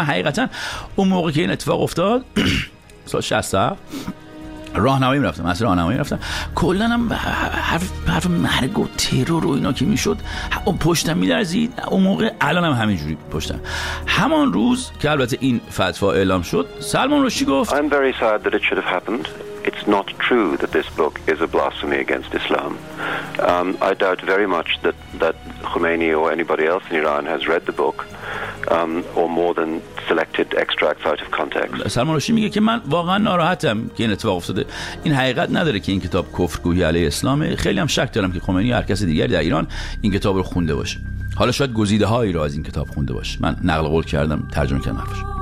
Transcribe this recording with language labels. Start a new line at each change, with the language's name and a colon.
Persian: من حقیقتا اون موقع که این اتفاق افتاد سال 67 راهنمایی میرفتم، اصلا راهنمایی میرفتم، کلا هم حرف مرگ و ترور و اینا که میشد اون پشتم میلرزید. اون موقع الان هم همینجوری پشتم. همان روز که البته این فتوا اعلام شد سلمان رشدی گفت
English: I'm very sad that it should have happened. It's not true that this book is a blasphemy against Islam. I doubt very much that Khomeini or anybody else in Iran has read the book or more than selected extracts out of context.
Persian: سلمان رشدی میگه که من واقعا ناراحتم که این اتفاق افتاده. این حقیقت نداره که این کتاب کفرگویی علیه اسلامه. خیلی هم شک دارم که خمینی یا هر کس دیگری در ایران این کتاب رو خونده باشه. حالا شاید گزیده هایی رو از این کتاب خونده باشه. من نقل قول کردم، ترجمه کردم حرفش.